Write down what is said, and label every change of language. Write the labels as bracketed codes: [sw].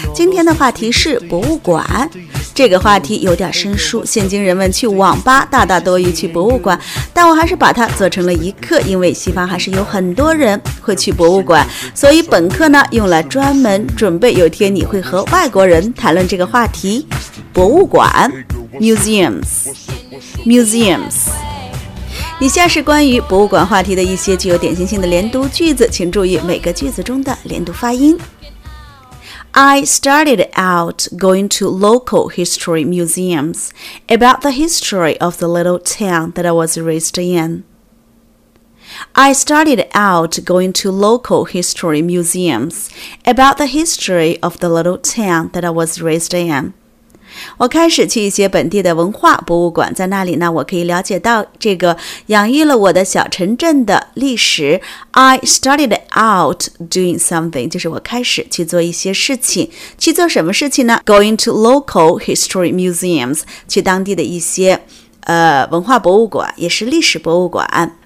[zh] 今天的话题是博物馆，这个话题有点生疏，现今人们去网吧大大多于去博物馆，但我还是把它做成了一课，因为西方还是有很多人会去博物馆，所以本课呢用来专门准备有天你会和外国人谈论这个话题，博物馆 Museums。以下是关于博物馆话题的一些具有典型性的连读句子，请注意每个句子中的连读发音。 [en] I started out going to local history museums about the history of the little town that I was raised in. I started out going to local history museums about the history of the little town that I was raised in. [zh] 我开始去一些本地的文化博物馆，在那里呢，我可以了解到这个养育了我的小城镇的历史。 [en] I started out doing something, [zh] 就是我开始去做一些事情。去做什么事情呢？ [en] Going to local history museums, [zh] 去当地的一些文化博物馆，也是历史博物馆。